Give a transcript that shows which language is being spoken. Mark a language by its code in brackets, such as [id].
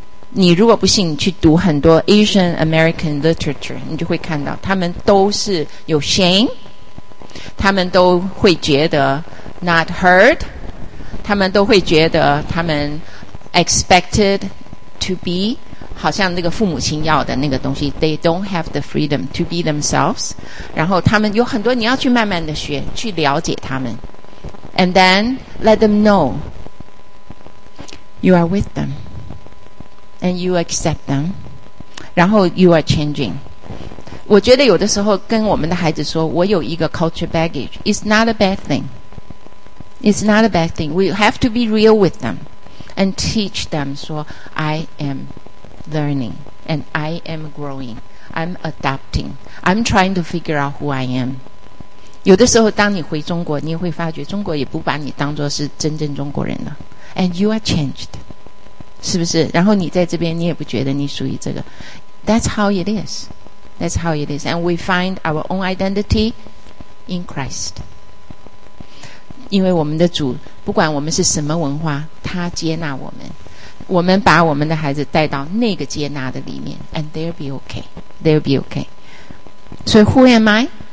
[zh] 你如果不信，你去读很多 [en] Asian American literature， [zh] 你就会看到他们都是有 shame， 他们都会觉得 [en] not heard， [zh] 他们都会觉得他们 [en] expected to be， [zh] 好像那个父母亲要的那个东西， [en] They don't have the freedom to be themselves. [zh] 然后他们有很多你要去慢慢的学，去了解他们。 [en] And then let them know you are with them and you accept them. [zh] 然后 [en] you are changing. [zh] 我觉得有的时候跟我们的孩子说，我有一个 culture baggage. [en] It's not a bad thing. It's not a bad thing. We have to be real with them and teach them 说 I amLearning and I am growing. I'm adapting. I'm trying to figure out who I am. [zh] 有的时候当你回中国，你也会发觉中国也不把你当作是真正中国人了。 [en] And you are changed. [zh] 是不是？然后你在这边你也不觉得你属于这个。 [en] That's how it is. That's how it is. And we find our own identity in Christ. [zh] 因为我们的主，不管我们是什么文化，他接纳我们，我们把我们的孩子带到那个接纳的里面， [en] and they'll be okay. They'll be okay. So who am I?